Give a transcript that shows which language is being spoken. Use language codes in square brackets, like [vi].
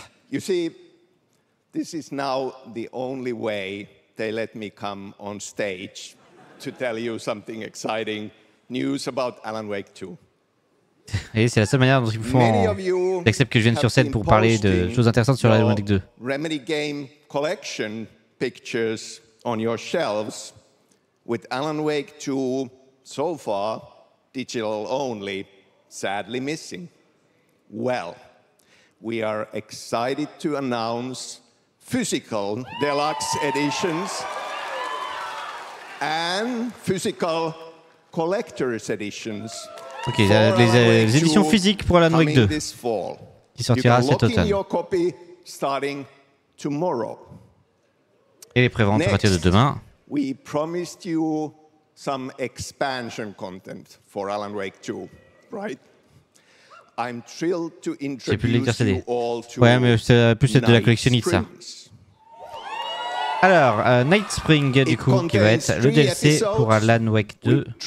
[en] You see, this is now the only way they let me come on stage to tell you something exciting news about Alan Wake 2. [fr] Et c'est la seule manière dont ils font d'accepter que je vienne sur scène pour parler de choses intéressantes sur Alan Wake 2. [en] Remedy Game Collection pictures on your shelves with Alan Wake 2 so far digital only, sadly missing. Well, we are excited to announce physical deluxe editions and physical collector's editions. [fr] Okay, les éditions physiques pour Alan Wake 2 qui sortira cet automne. [en] You can lock in your copy starting tomorrow. [fr] Et les préventes [en] Next, [fr] à partir de demain. [en] We promised you some expansion content for Alan Wake 2, right? I'm thrilled to introduce you all to [fr] ouais, mais c'est plus être de la collectionniste, ça. Alors, Night Spring, du [en] It [fr] coup, qui va être le DLC pour Alan Wake 2.